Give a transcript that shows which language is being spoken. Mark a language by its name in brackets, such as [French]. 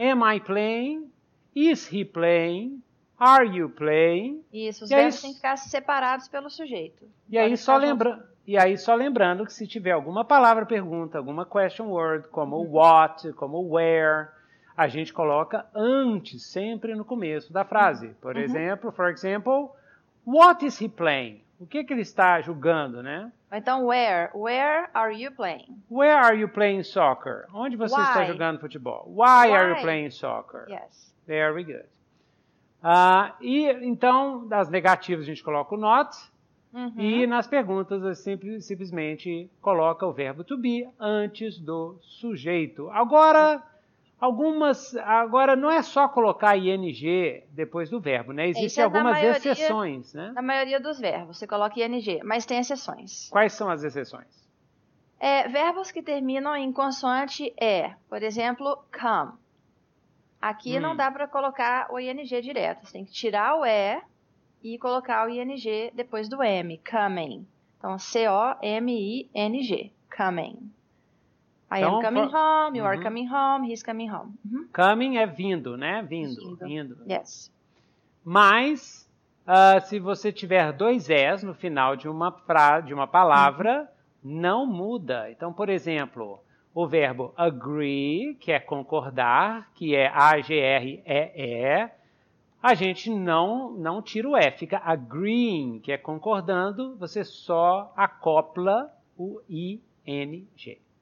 [English] Am I playing? Is he playing? Are you playing? [Portuguese] Isso, os verbos têm que ficar separados pelo sujeito. E aí só lembrando que se tiver alguma palavra pergunta, alguma question word, como what, como where, a gente coloca antes, sempre no começo da frase. Por exemplo, [English] for example, what is he playing? [Portuguese] O que, que ele está jogando, né? [English] Então, where? Where are you playing? Where are you playing soccer? [Portuguese] Onde você [English] Why? [Portuguese] Está jogando futebol? [English] Why are you playing soccer? Yes. Very good. [Portuguese] E então, nas negativas a gente coloca o not. E nas perguntas a gente simplesmente coloca o verbo to be antes do sujeito. Agora, agora não é só colocar ING depois do verbo, né? Existem algumas exceções, né? Na maioria dos verbos você coloca ING, mas tem exceções. Quais são as exceções? Verbos que terminam em consoante E, por exemplo, come. Aqui não dá para colocar o ING direto. Você tem que tirar o E e colocar o ING depois do M, coming. Então, C-O-M-I-N-G, coming. [English] I am coming home, you are coming home, he's coming home. [Portuguese] Coming é vindo, né? Vindo, vindo. Yes. Mas, se você tiver dois S no final de uma, de uma palavra, não muda. Então, por exemplo, o verbo agree, que é concordar, que é A-G-R-E-E, a gente não tira o E, fica agreeing, que é concordando, você só acopla o ING.